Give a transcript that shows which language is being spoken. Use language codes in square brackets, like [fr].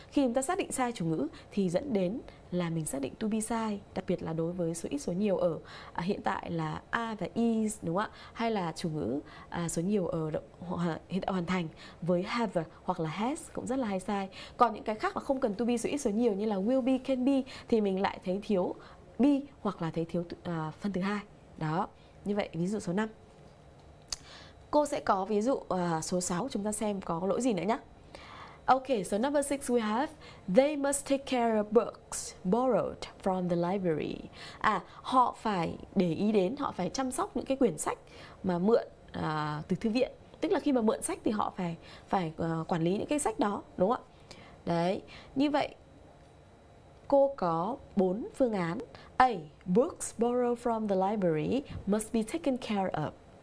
[vi] Khi chúng ta xác định sai chủ ngữ thì dẫn đến là mình xác định to be sai, đặc biệt là đối với số ít số nhiều ở hiện tại là a và is đúng không ạ, hay là chủ ngữ số nhiều ở hiện tại hoàn thành với have hoặc là has cũng rất là hay sai. Còn những cái khác mà không cần to be số ít số nhiều như là will be, can be thì mình lại thấy thiếu be hoặc là thấy thiếu phần thứ hai đó. Như vậy ví dụ số 5, cô sẽ có ví dụ số 6, chúng ta xem có lỗi gì nữa nhé. [en] Okay, so number 6 we have they must take care of books borrowed from the library. [vi] À, họ phải để ý đến, họ phải chăm sóc những cái quyển sách mà mượn từ thư viện. Tức là khi mà mượn sách thì họ phải quản lý những cái sách đó, đúng không ạ? Đấy, như vậy cô có 4 phương án. [en] A, books borrowed from the library must be taken care of.